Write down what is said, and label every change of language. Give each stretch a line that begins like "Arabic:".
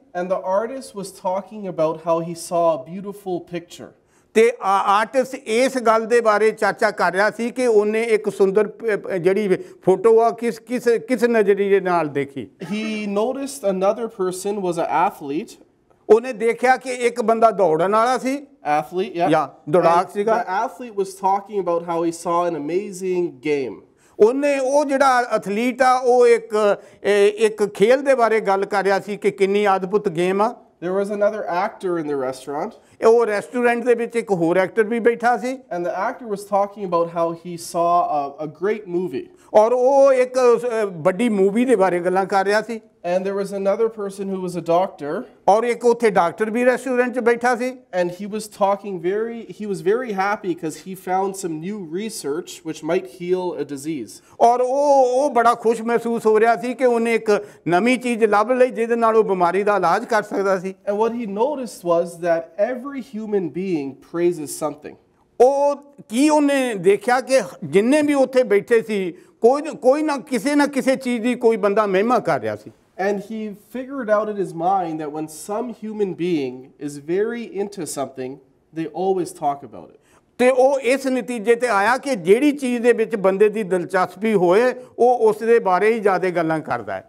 English: And the artist was talking about how he saw a beautiful picture.
Punjabi: ਤੇ artist ਇਸ ਗੱਲ ਦੇ ਬਾਰੇ ਚਰਚਾ ਕਰ ਰਿਹਾ ਸੀ ਕਿ ਉਹਨੇ ਇੱਕ ਸੁੰਦਰ ਜਿਹੜੀ ਫੋਟੋ ਆ ਕਿਸ ਕਿਸ ਕਿਸ ਨਜ਼ਰੀਏ ਨਾਲ ਦੇਖੀ
English: ਹੀ noticed another person was a athlete
Punjabi: ਉਹਨੇ ਦੇਖਿਆ ਕਿ ਇੱਕ ਬੰਦਾ ਦੌੜਨ ਵਾਲਾ ਸੀ ਐਥਲੀਟ ਯਾ ਦੌੜਾਕ ਸੀਗਾ
English: athlete was talking about how he saw an amazing game
Punjabi: ਉਹਨੇ ਉਹ ਜਿਹੜਾ ਐਥਲੀਟ ਆ ਉਹ ਇੱਕ ਇੱਕ ਖੇਲ ਦੇ ਬਾਰੇ ਗੱਲ ਕਰ ਰਿਹਾ ਸੀ ਕਿ ਕਿੰਨੀ ਅਦਭੁਤ ਗੇਮ ਆ
English: There was another actor in the restaurant.
Punjabi: ਉਹ ਰੈਸਟੋਰੈਂਟ ਦੇ ਵਿੱਚ ਇੱਕ ਹੋਰ ਐਕਟਰ ਵੀ ਬੈਠਾ ਸੀ
English: And the actor was talking about how he saw a great movie.
Punjabi: ਔਰ ਉਹ ਇੱਕ ਵੱਡੀ ਮੂਵੀ ਦੇ ਬਾਰੇ ਗੱਲਾਂ ਕਰ ਰਿਹਾ ਸੀ
English: And there was another person who was a doctor.
Punjabi: ਔਰ ਇੱਕ ਉੱਥੇ ਡਾਕਟਰ ਵੀ ਰੈਸਟੋਰੈਂਟ 'ਚ ਬੈਠਾ ਸੀ
English: And he was very happy because he found some new research which might heal a disease.
Punjabi: ਔਰ ਉਹ ਬੜਾ ਖੁਸ਼ ਮਹਿਸੂਸ ਹੋ ਰਿਹਾ ਸੀ ਕਿ ਉਹਨੇ ਇੱਕ ਨਵੀਂ ਚੀਜ਼ ਲੱਭ ਲਈ ਜਿਹਦੇ ਨਾਲ ਉਹ ਬਿਮਾਰੀ ਦਾ ਇਲਾਜ ਕਰ ਸਕਦਾ ਸੀ
English: And what he noticed was that every human being praises something.
Punjabi: ਉਹ ਕੀ ਉਹਨੇ ਦੇਖਿਆ ਕਿ ਜਿੰਨੇ ਵੀ ਉੱਥੇ ਬੈਠੇ ਸੀ ਕੋਈ ਨਾ ਕਿਸੇ ਚੀਜ਼ ਦੀ ਕੋਈ ਬੰਦਾ ਮਹਿਮਾ ਕਰ ਰਿਹਾ ਸੀ
English: and he figured out in his mind that one some human being is very into something they always talk about it
Punjabi: ਤੇ ਉਹ ਇਸ ਨਤੀਜੇ ਤੇ ਆਇਆ ਕਿ ਜਿਹੜੀ ਚੀਜ਼ ਦੇ ਵਿੱਚ ਬੰਦੇ ਦੀ ਦਿਲਚਸਪੀ ਹੋਏ ਉਹ ਉਸ ਦੇ ਬਾਰੇ ਹੀ ਜ਼ਿਆਦਾ ਗੱਲਾਂ ਕਰਦਾ ਹੈ